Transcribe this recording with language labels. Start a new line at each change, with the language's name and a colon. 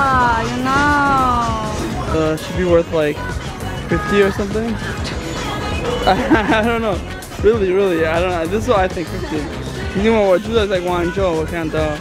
Chinese: 太多了，其实我拿货都拿不到啊。那个刀叉？
English: Yeah，
Chinese: 这个是刀叉。一样的。一样的刀叉吗？220了。哦，这么便宜啊！
English: You know。 Should be worth like 50 or something. I don't know. Really, I don't know. This is what I think 50.
Chinese: 因为我住在广州，我看到。